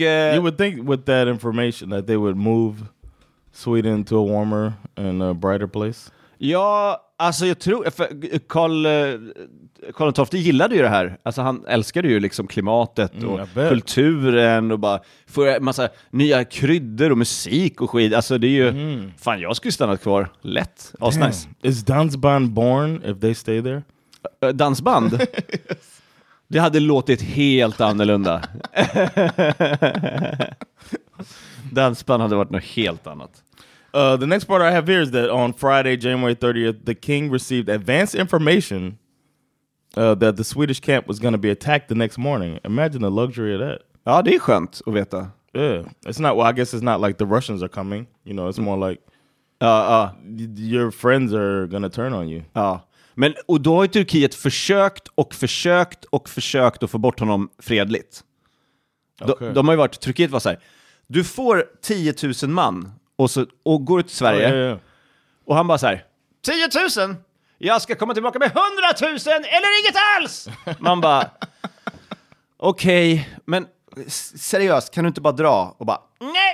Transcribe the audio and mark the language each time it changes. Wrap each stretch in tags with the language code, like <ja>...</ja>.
<en>you would think with that information that they would move Sweden to a warmer and a brighter place.</en> <sv>Ja, alltså jag tror, Karl Tofte gillade ju det här. Alltså han älskade ju liksom klimatet och kulturen och bara få en massa nya krydder och musik och skit. Alltså det är ju, fan jag skulle stannat kvar lätt.</sv> <en>Damn. Nice. Is dansband born if they stay there? Dansband? Yes.</en> <sv>Det hade låtit helt annorlunda. Dansband hade varit något helt annat.</sv> <en>The next part I have here is that on Friday, January 30th, the king received advance information that the Swedish camp was going to be attacked the next morning. Imagine the luxury of that.</en> <sv>Ja, det är skönt att veta.</sv> <en>Yeah. It's not, well, I guess it's not like the Russians are coming. You know, it's more like your friends are going to turn on you.</en> <sv>Ja. Men, och då har Turkiet försökt att få bort honom fredligt. Okay. De har ju varit, Turkiet var så här, du får 10 000 man. Och går ut till Sverige.</sv> <en>Oh, yeah.</en> <sv>Och han bara så här: 10 000? Jag ska komma tillbaka med 100 000 eller inget alls! Man bara, okej, okay, men seriöst, kan du inte bara dra? Och bara, nej!</sv>